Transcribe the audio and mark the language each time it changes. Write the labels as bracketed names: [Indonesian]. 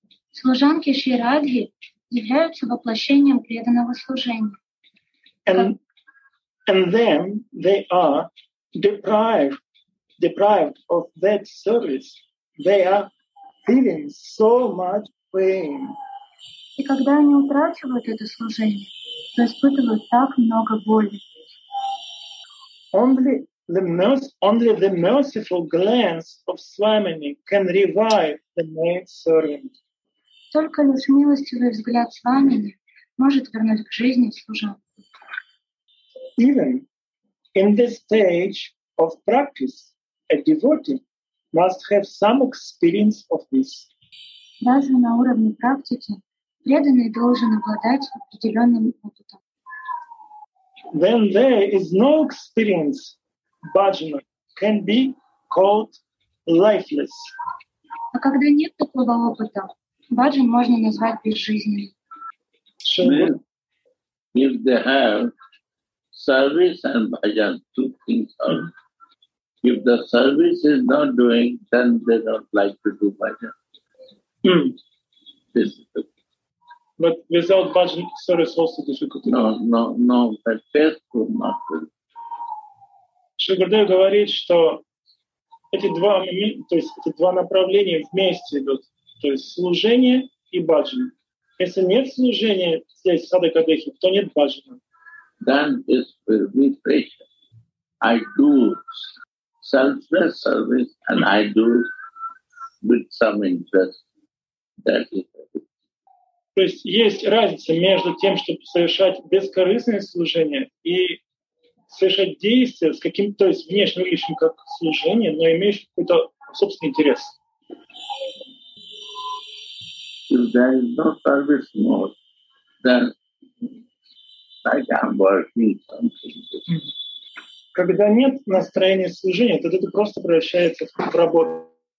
[Russian] Служанки Шри Радхи являются воплощением преданного служения. [English] And then they are deprived of that service. They are feeling so much pain. [Russian] И когда они утрачивают это служение, то испытывают так много боли. [English] Only the merciful glance of Swamini can revive the maid servant. [Russian] Только лишь милостивый взгляд Свамини может вернуть к жизни служанку. [English] Even in this stage of practice, a devotee must have some experience of this. [Russian] Даже на уровне практики преданный должен обладать определенным опытом. [English] Then there is no experience, bhajana can be called lifeless. [Russian] А когда нет такого опыта, bhajan можно назвать безжизненным. [English] Sure. If they have service and bhajan, two things are. If the service is not doing, then they don't like to do bhajan. Mm. This is the thing. But without bhajan, service also difficult. No, but faithful not good. [Russian] Шри Гурудев говорит, что эти два момента, то есть эти два направления вместе идут, то есть служение и бхаджан. Если нет служения здесь, в садхакадехе, то нет бхаджана. [English] Then it will be patient. I do selfless service and I do with some interest. That is it. [Russian] То есть есть разница между тем, чтобы совершать бескорыстное служение и совершать действия с каким-то, то есть внешним лишним как служение, но имеющим какой-то собственный интерес. [English] If there is no service mode, then like I'm working something. [Russian] Когда нет настроения служения, то это просто превращается в работу.